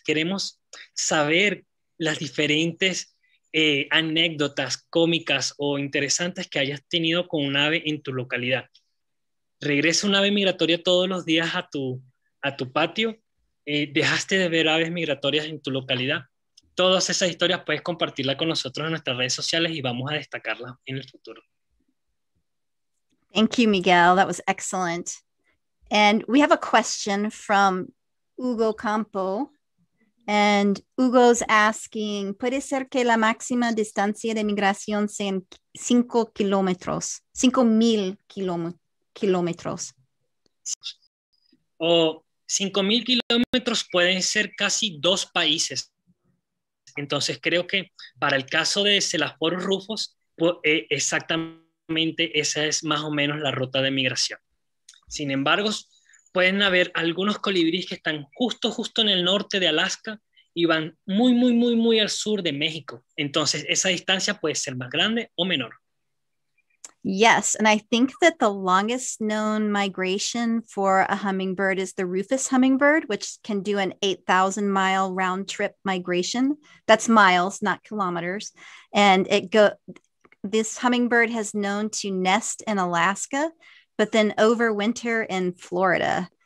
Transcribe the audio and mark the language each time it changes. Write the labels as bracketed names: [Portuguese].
[Spanish] Queremos saber las diferentes anécdotas cómicas o interesantes que hayas tenido con un ave en tu localidad. ¿Regresa un ave migratoria todos los días a tu patio? ¿Dejaste de ver aves migratorias en tu localidad? Todas esas historias puedes compartirlas con nosotros en nuestras redes sociales y vamos a destacarlas en el futuro. [English] Thank you, Miguel. That was excellent. And we have a question from Hugo Campo. And Hugo's asking, [Spanish] ¿puede ser que la máxima distancia de migración sean 5 kilómetros, 5,000 kilómetros? O 5,000 kilómetros pueden ser casi dos países. Entonces creo que para el caso de Celasporus rufus, exactamente esa es más o menos la ruta de migración. Sin embargo, pueden haber algunos colibríes que están justo en el norte de Alaska y van muy al sur de México. Entonces, esa distancia puede ser más grande o menor. [English] Yes, and I think that the longest known migration for a hummingbird is the rufous hummingbird, which can do an 8,000-mile round-trip migration. That's miles, not kilometers. And this hummingbird has known to nest in Alaska, but then overwinter in Florida.